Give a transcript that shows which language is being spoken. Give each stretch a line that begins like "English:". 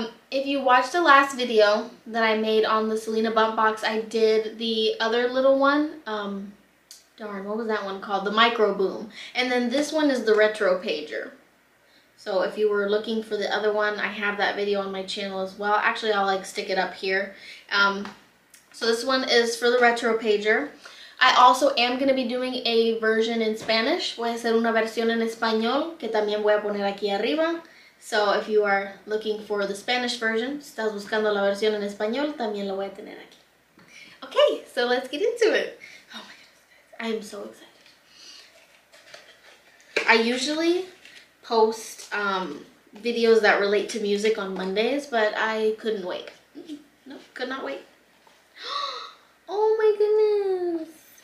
English: If you watched the last video that I made on the Selena BumpBoxx, I did the other little one, what was that one called? The Micro Boom. And then this one is the Retro Pager. So if you were looking for the other one, I have that video on my channel as well. Actually, I'll like stick it up here. So this one is for the Retro Pager. I also am going to be doing a version in Spanish.
Spanish: Voy a hacer una versión en español que también voy a poner aquí arriba.
English: So if you are looking for the Spanish version,
Spanish: si estás buscando la versión en español, también la voy a tener aquí.
English: Okay, so let's get into it. Oh my goodness, I am so excited. I usually post videos that relate to music on Mondays, but I couldn't wait. Nope, could not wait. Oh my goodness.